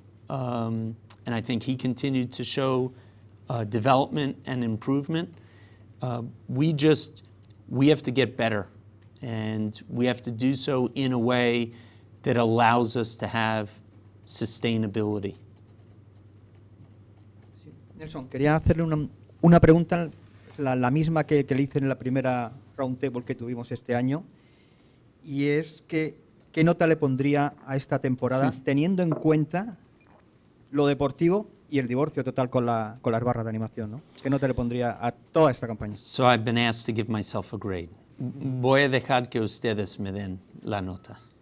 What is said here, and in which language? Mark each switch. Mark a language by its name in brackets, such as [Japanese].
[English] And I think he continued to show development and improvement. We have to get better. And we have to do so in a way that allows us to have sustainability. [Spanish] Nelson, quería hacerle una pregunta, la misma que le hice en la primera roundtable que tuvimos este año, y es que qué nota le pondría a esta temporada teniendo en cuenta lo deportivo y el divorcio total con la barra de animación, ¿no? ¿Qué nota le pondría a toda esta campaña? [English] So I've been asked to give myself a grade. [Spanish] Voy a dejar que ustedes me den la nota.